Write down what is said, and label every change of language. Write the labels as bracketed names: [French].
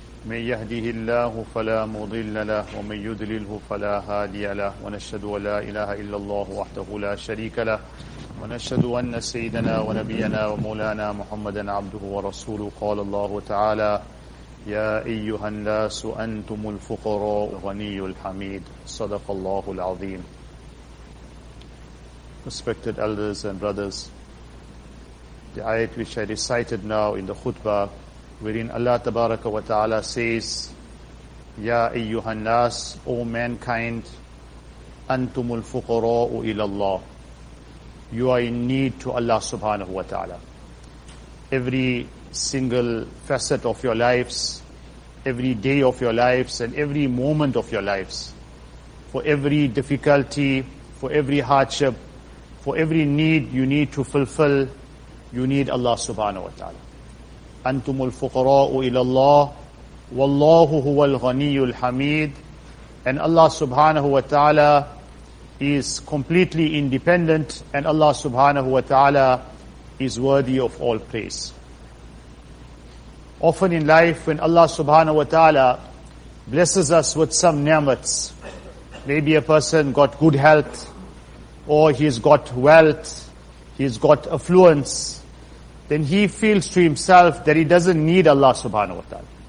[Arabic] من يهده الله فلا مضل له ومن يضلله فلا هادي له ونشهد أن لا إله إلا الله وحده لا شريك له ونشهد أن سيدنا ونبينا ومولانا محمدا عبده ورسوله قال الله تعالى يا أيها الناس أنتم الفقراء الغني الحميد صدق الله العظيم. [English] Respected elders and brothers, the ayat which I recited now in the khutbah, wherein Allah Tabaraka wa Ta'ala says, [Arabic] يا أيها الناس, [English] O mankind, [Arabic] أنتم الفقراء إلى الله, [English] you are in need to Allah Subhanahu wa Ta'ala. Every single facet of your lives, every day of your lives, and every moment of your lives, for every difficulty, for every hardship, for every need you need to fulfill, you need Allah Subhanahu wa Ta'ala. [Arabic] أنتم الفقراء إلى الله والله هو الغني الحميد. [English] And Allah Subhanahu wa Ta'ala is completely independent, and Allah Subhanahu wa Ta'ala is worthy of all praise. Often in life, when Allah Subhanahu wa Ta'ala blesses us with some ni'mats, maybe a person got good health, or he's got wealth, he's got affluence, then he feels to himself that he doesn't need Allah Subhanahu wa Ta'ala.